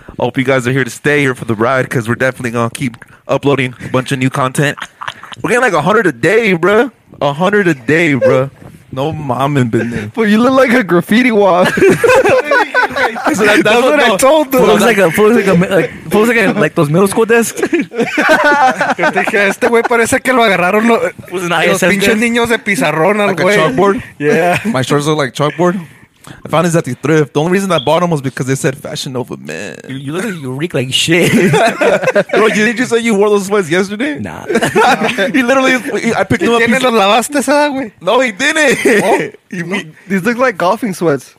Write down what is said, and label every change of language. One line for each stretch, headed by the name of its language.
English: I hope you guys are here to stay here for the ride, because we're definitely going to keep uploading a bunch of new content. We're getting like 100 a day, bro. 100 a day, bro. No mom in business. But you look like a graffiti wall. So that's what, I told them. Looks like a, looks like those middle school desks.
Spanish: Dije, este güey parece que lo agarraron los pinches niños de pizarrón al güey.
English: Like a chalkboard? Yeah. My shorts look like chalkboard. I found this at the thrift. The only reason I bought them was because they said Fashion Nova Men. You look like you reek like shit. Bro, you didn't you say you wore those sweats yesterday? Nah. He literally, I picked them up.
Spanish: ¿Tienes los lavaste esa, güey?
English: No, he didn't. These look like golfing sweats.